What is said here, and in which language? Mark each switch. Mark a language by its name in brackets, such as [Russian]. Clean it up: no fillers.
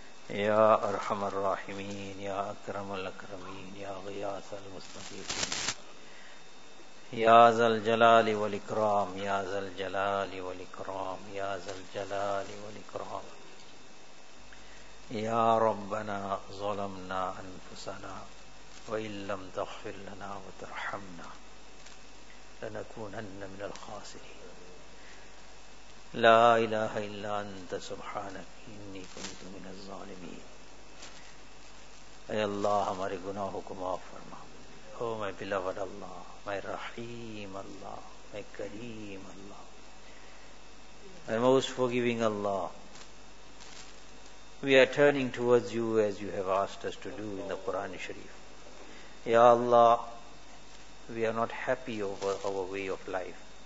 [Arabic] يا أرحم الراحمين يا أكرم الأكرمين يا غياث المستضيفين يا ذا الجلال والإكرام يا ذا الجلال والإكرام يا ذا الجلال والإكرام يا ربنا ظلمنا أنفسنا وإن لم تغفر لنا وترحمنا لنكونن من الخاسرين. لا إله إلا أنت سبحانك إني كنت من الظالمين. [Urdu] أي الله ہمارے گناہوں کو معاف فرما. [English] Oh my beloved Allah, my Rahim Allah, my Kareem Allah, my most forgiving Allah, we are turning towards you as you have asked us to do in the Quran Sharif. Ya Allah, we are not happy over our way of life.